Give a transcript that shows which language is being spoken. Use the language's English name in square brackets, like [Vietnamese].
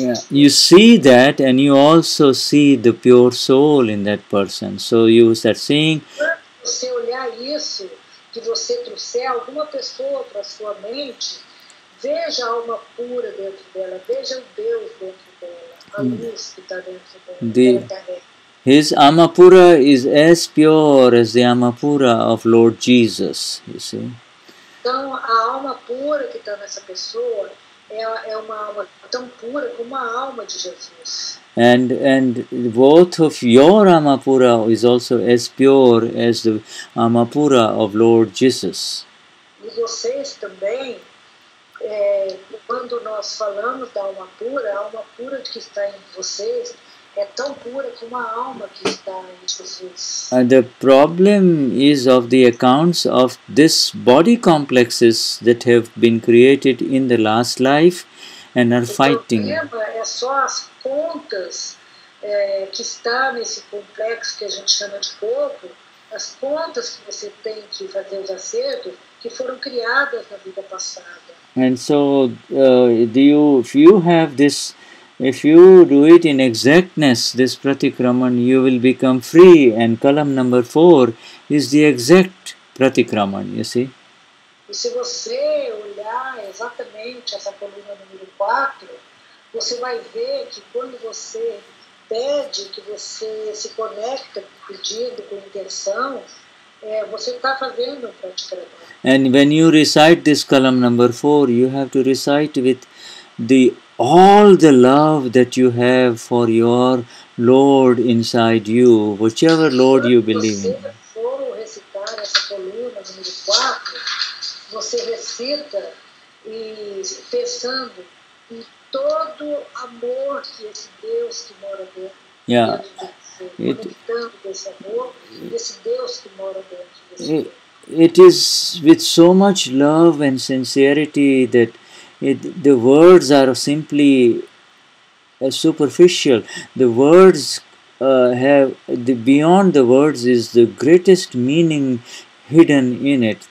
[English] You see that, and you also see the pure soul in that person. So you start seeing. [Portuguese] Você olhar isso que você trouxer alguma pessoa para sua mente, veja a alma pura dentro dela, veja o Deus dentro dela, a luz que está dentro dela. [English] His amapura is as pure as the amapura of Lord Jesus. You see. [Portuguese] Então, a alma pura que está nessa pessoa é uma alma tão pura como a alma de Jesus. [English] And both of your amapura is also as pure as the amapura of Lord Jesus. [Portuguese] E vocês também, quando nós falamos da alma pura, a alma pura que está em vocês é tão pura como a alma que está em Jesus. [English] And the problem is of the accounts of this body complexes that have been created in the last life and are fighting. [Portuguese] O problema é só as contas que está nesse complexo que a gente chama de corpo, as contas que você tem que fazer os acertos que foram criadas na vida passada. [English] And so, if you have this, if you do it in exactness, this pratikraman, you will become free, and column number 4 is the exact Pratikraman, you see. [Portuguese] E se você olhar exatamente essa coluna número 4, você vai ver que quando você pede, que você se conecta com o pedido, com a intenção, você está fazendo o pratikraman. [English] And when you recite this column number 4, you have to recite with all the love that you have for your Lord inside you, whichever Lord you believe in. [Portuguese] Você recita pensando em todo amor que esse Deus que mora dentro de você, conectando esse amor, esse Deus que mora dentro de você. [English] It is with so much love and sincerity that the words are simply superficial. The words beyond the words is the greatest meaning hidden in it.